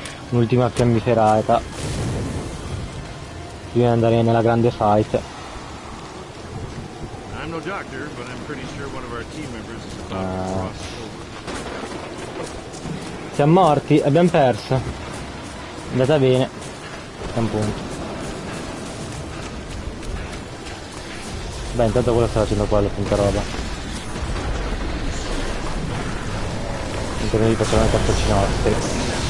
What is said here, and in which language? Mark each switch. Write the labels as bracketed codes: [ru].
[it] Ultima fiammiferata prima di andare nella grande fight. [en] I'm no doctor, but I'm pretty sure one of our team members is a doctor. [it] Siamo morti, abbiamo perso. È andata bene. È un punto. Beh, intanto quello sta facendo qua la punta roba. Intanto gli facciamo le cartucce nostre.